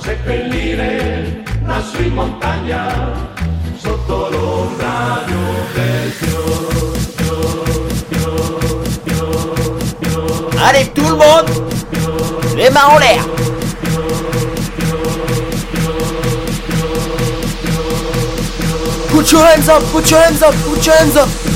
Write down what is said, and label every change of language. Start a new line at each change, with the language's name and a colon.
Italian: Seppellire la sua montagna sotto l'ombra di un bel fior.
French: Allez, tout le monde, les mains en l'air.
English: Put your hands up, put your hands up, put your hands up.